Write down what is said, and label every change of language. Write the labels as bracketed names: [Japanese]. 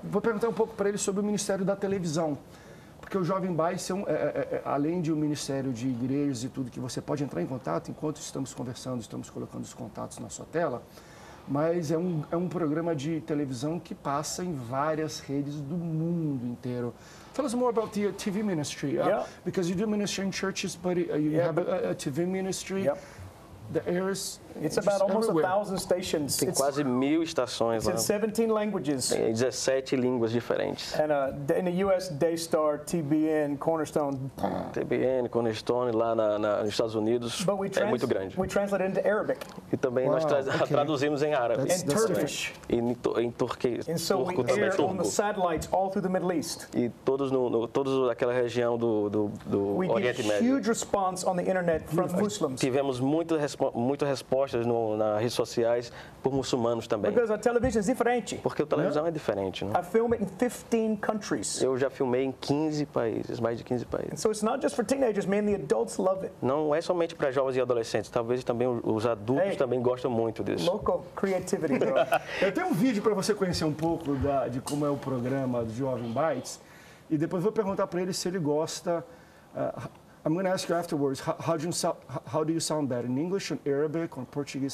[Portuguese] Vou perguntar um pouco para ele sobre o ministério da televisão. Porque o Jovem Bites, além de um ministério de igrejas e tudo, que você pode entrar em contato enquanto estamos conversando, estamos colocando os contatos na sua tela, mas é um programa de televisão que passa em várias redes do mundo inteiro. [English] Tell us more about the TV ministry. Yeah. Because you do ministry in churches, but you have a TV ministry. Yep. The airs. It's about almost 1,000 stations. [Portuguese] Tem quase 1,000 estações lá. [English] It's in 17 languages. [Portuguese] Tem 17 línguas diferentes. [English] And in the US, Daystar, TBN, Cornerstone. [Portuguese] TBN, Cornerstone, lá nos Estados Unidos. [English] But [Portuguese] é muito grande. [English] We translate into Arabic. [Portuguese] E também nós traduzimos em árabe. [English] Turkish. [Portuguese] Em turquês. [English] And so [Portuguese] turco [English] we air on the satellites all through the Middle East. [Portuguese] E todos aquela região do Oriente Médio. [English] We get huge response on the internet from Muslims. [Portuguese] Tivemos muita resposta nas redes sociais por muçulmanos também. [English] Because a television is different. [Portuguese] Porque a televisão é diferente, né? [English] I film it in 15 countries. [Portuguese] Eu já filmei em 15 países, mais de 15 países. [English] And so it's not just for teenagers, man, the adults love it. [Portuguese] Não é somente para jovens e adolescentes, talvez também os adultos também gostam muito disso. [English] Local creativity, bro. [Portuguese] Eu tenho um vídeo para você conhecer um pouco de como é o programa do Jovem Bites e depois vou perguntar para ele se ele gosta. [English] I'm going to ask you afterwards, how do you sound better, in English or Arabic or Portuguese?